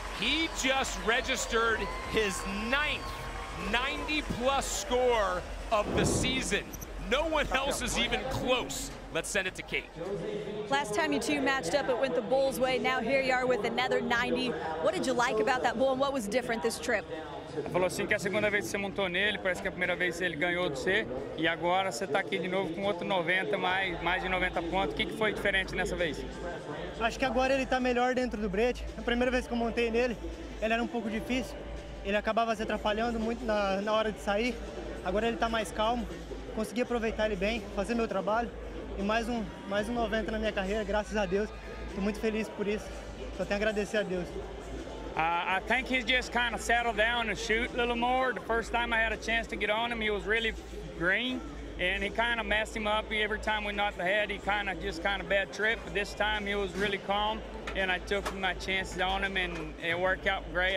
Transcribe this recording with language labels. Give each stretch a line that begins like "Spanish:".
English: He just registered his ninth 90-plus score of the season. No one else is even close. Let's send it to Kate. Last time you two matched up, it went the bull's way. Now here you are with another 90. What did you like about that bull, and what was different this trip?
Portuguese: Ele falou assim que é a segunda vez que você montou nele, parece que é a primeira vez que ele ganhou de você, e agora você está aqui de novo com outro 90, mais de 90 pontos. O que foi diferente nessa vez? Acho que agora ele está melhor dentro do brete. A primeira vez que eu montei nele, ele era um pouco difícil. Ele acabava se atrapalhando muito na hora de sair. Agora ele está mais calmo. Consegui aproveitar ele bem, fazer meu trabalho. E mais um 90 na minha carreira, graças a Deus. Estou muito feliz por isso. Só tenho a agradecer a Deus.
English: I think he's just kind of settled down and shoot a little more. The first time I had a chance to get on him, he was really green, and he kind of messed him up. Every time we knocked the head, he kind of just kind of bad trip. But this time he was really calm, and I took my chances on him, and it worked out great.